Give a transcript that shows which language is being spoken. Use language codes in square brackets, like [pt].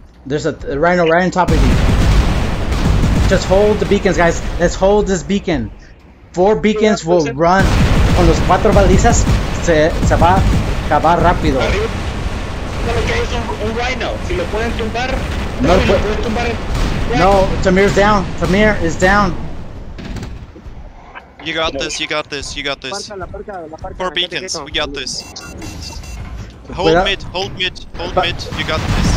[en] There's a rhino right on top of you. Just hold the beacons, guys. Let's hold this beacon. Four beacons will run. [es] Con los cuatro balizas, se va a acabar rápido. Arriba. Solo que hay un rhino. Si lo pueden tumbar, no lo pueden tumbar. [en] No, Tamir's down. Tamir is down. You got this, you got this, you got this. Four beacons, we got this. Hold cuidado. Mid, hold mid, hold mid, you got this.